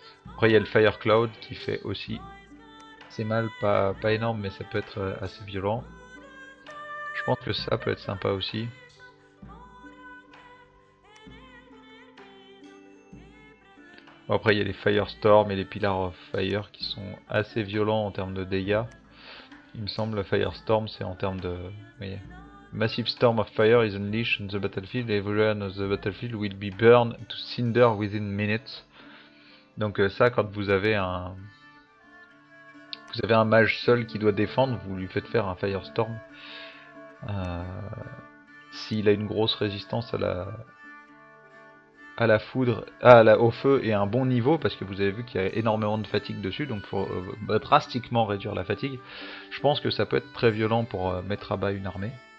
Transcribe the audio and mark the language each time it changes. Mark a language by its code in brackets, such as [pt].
[fr] Après il y a le Fire Cloud qui fait aussi assez mal, pas énorme, mais ça peut être assez violent. Je pense que ça peut être sympa aussi. Bon, après, il y a les Firestorm et les Pillar of Fire qui sont assez violents en termes de dégâts. Il me semble, Firestorm, c'est en termes de. Oui. [en] Massive storm of fire is unleashed on the battlefield. Everyone on the battlefield will be burned to cinder within minutes. [fr] Donc, ça, quand vous avez un mage seul qui doit défendre, vous lui faites faire un Firestorm. S'il a une grosse résistance à la foudre, au feu et un bon niveau, parce que vous avez vu qu'il y a énormément de fatigue dessus, donc pour drastiquement réduire la fatigue, je pense que ça peut être très violent pour mettre à bas une armée.